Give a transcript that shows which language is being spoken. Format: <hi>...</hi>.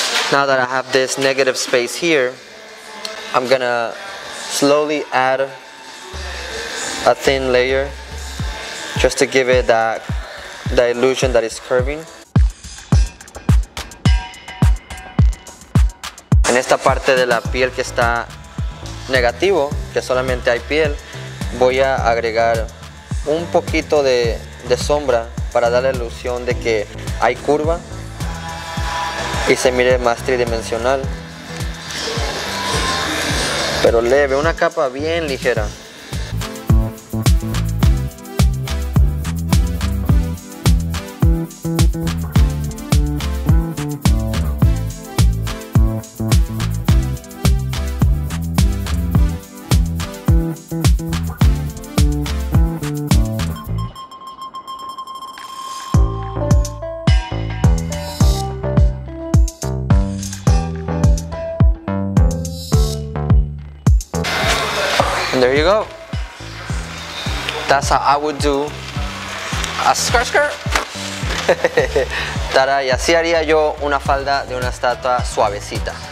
<en>Now that I have this negative space here, I'm gonna slowly add a thin layer just to give it the illusion that it's curving.</en> <es>En esta parte de la piel que está negativo, que solamente hay piel, voy a agregar un poquito de sombra para dar la ilusión de que hay curva. Y se mire más tridimensional. Pero leve, una capa bien ligera.</es> <en>There you go. That's how I would do a skirt skirt.</en> <es>Tara, y así haría yo una falda de una estatua suavecita.</es>